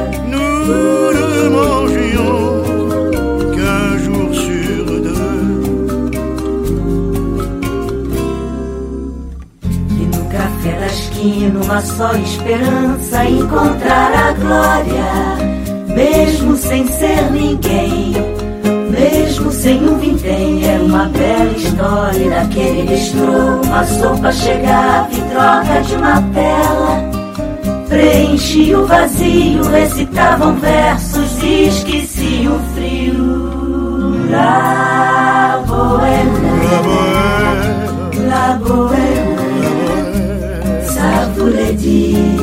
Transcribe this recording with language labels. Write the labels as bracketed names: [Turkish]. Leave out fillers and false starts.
[French] nous ne mangions qu'un jour sur deux. [Portuguese] E no café da esquina, uma só esperança, encontrar a glória, mesmo sem ser ninguém. Mesmo sem um vintém, era uma bela história daquele bistrô. Uma sopa chegava em troca de uma tela, preenchia o vazio, recitavam versos e esquecia o frio. [French] La bohème, la bohème, la bohème, ça voulait dire